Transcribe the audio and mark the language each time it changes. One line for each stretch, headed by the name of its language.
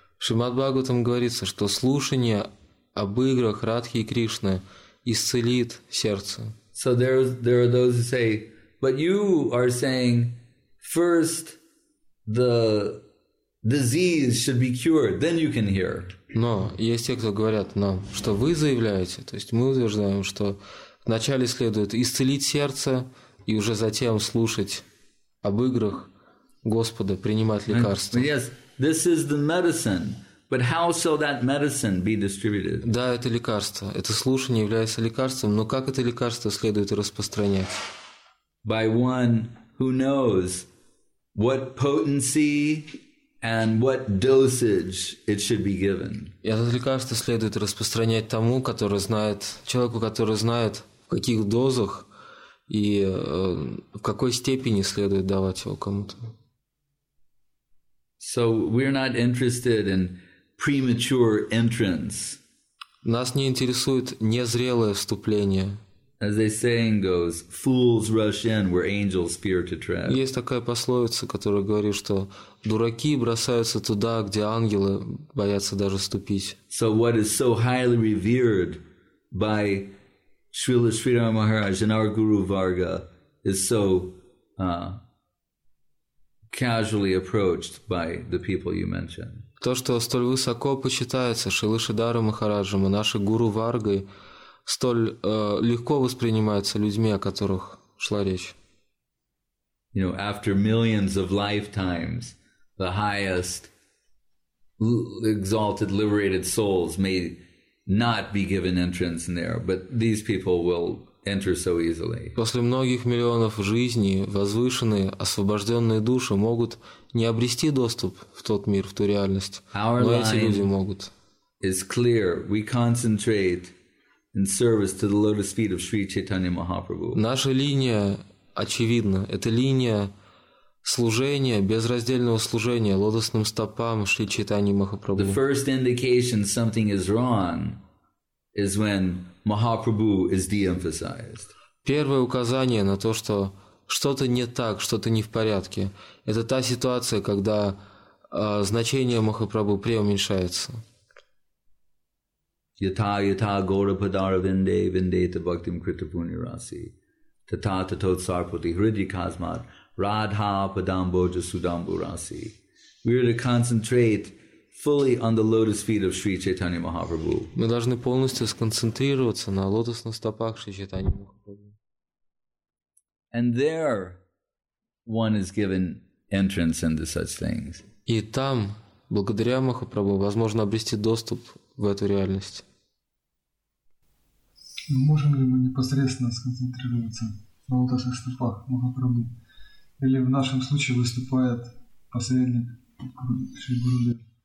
Russian: В Шримад-Бхагаватам говорится, что слушание об играх Радхи и Кришны исцелит сердце.
English: So there are those who say, but you are saying, first the disease should be cured, then you can hear.
Russian: Но есть те, кто говорят нам, что вы заявляете, то есть мы утверждаем, что вначале следует исцелить сердце и уже затем слушать об играх Господа, принимать лекарства.
English: Yes. This is the medicine, but how shall that medicine be distributed?
Russian: Да, это лекарство. Это слушание является лекарством, но как это лекарство следует распространять?
English: By one who knows what potency and what dosage it should be given.
Russian: И это лекарство следует распространять тому, который знает, человеку, который знает, в каких дозах и в какой степени следует давать его кому-то.
English: So we're not interested in premature entrance.
Russian: Нас не интересует незрелое вступление.
English: As the saying goes, fools rush in where angels fear to tread.
Russian: Есть такая пословица, которая говорит, что дураки бросаются туда, где ангелы боятся даже ступить.
English: So what is so highly revered by Srila Sridhara Maharaj and our Guru Varga is so casually approached by the people you mentioned.
Russian: То, что столь высоко почитается Шрила Шридхара Махараджем и нашей гуру Варгой, столь легко воспринимается людьми, о которых шла речь.
English: You know, after millions of lifetimes, the highest exalted liberated souls may not be given entrance in there, but these people will enter so easily.
Russian: После многих миллионов жизней возвышенные освобожденные души могут не обрести доступ в тот мир, в ту реальность,
English: our
Russian: но эти люди могут.
English: Is clear. We concentrate in service to the lotus feet of Sri Chaitanya Mahaprabhu.
Russian: Наша линия очевидна. Это линия служения, безраздельного служения лотосным стопам Шри Чайтаньи Махапрабху.
English: The first indication something is wrong is when Mahaprabhu is de-emphasized.
Russian: Первое указание на то, что что-то не так, что-то не в порядке, это та ситуация, когда значение Махапрабху преуменьшается.
Sanskrit: Yata yata gora padara vinde vindeta bhaktim krita puni rasi tata tatot sarpati hridi kasmat radha padambo jasudambu rasi.
English: We are to concentrate fully on the lotus feet of Sri Chaitanya Mahaprabhu.
Russian: Мы должны полностью сконцентрироваться на лотосных стопах Шри Чайтаньи Махапрабху.
English: And there one is given entrance into such things.
Russian: И там, благодаря Махапрабху, возможно обрести доступ в эту реальность. Можем ли мы непосредственно сконцентрироваться на лотосных стопах Махапрабху? Или в нашем случае выступает посредник Шри Гурудев?